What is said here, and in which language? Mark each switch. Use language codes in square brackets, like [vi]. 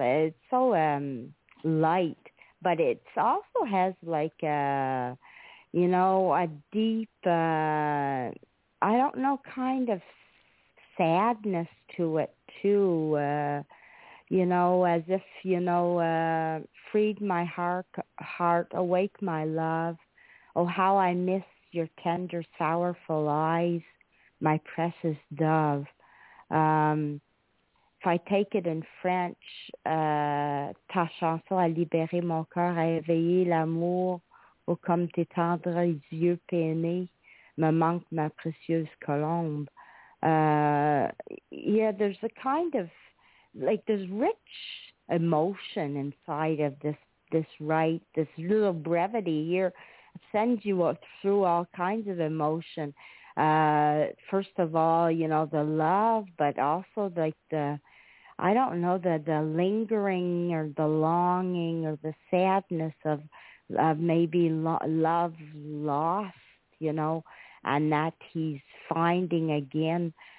[en] It's so light, but it also has, like, a deep, I don't know, kind of sadness to it, too. As if, freed my heart, awake my love. Oh, how I miss your tender, sorrowful eyes, my precious dove. If I take it in French, [fr] ta chanson a libéré mon cœur, a éveillé l'amour, ou comme tes tendres yeux peinés, me manque ma précieuse colombe. [en] There's a kind of, like, there's rich emotion inside of this right, this little brevity here sends you through all kinds of emotion. First of all, you know, the love, but also like the lingering or the longing or the sadness of maybe love lost, you know, and that he's finding again.